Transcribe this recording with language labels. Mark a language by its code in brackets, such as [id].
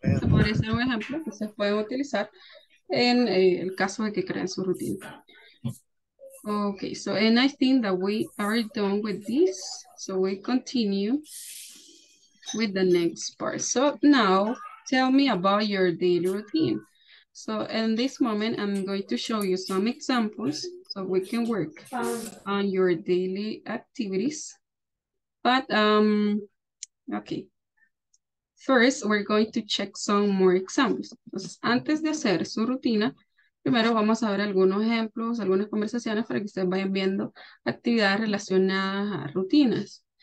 [es] Esto podría ser un ejemplo que se puede utilizar en el caso de que creen su rutina. [en] Okay, so and I think that we are done with this. So we continue with the next part. So now tell me about your daily routine. So in this moment, I'm going to show you some examples so we can work on your daily activities. But, okay. First, we're going to check some more examples. [es] Entonces, antes de hacer su rutina, primero vamos a ver algunos ejemplos, algunas conversaciones para que ustedes vayan viendo actividades relacionadas a rutinas.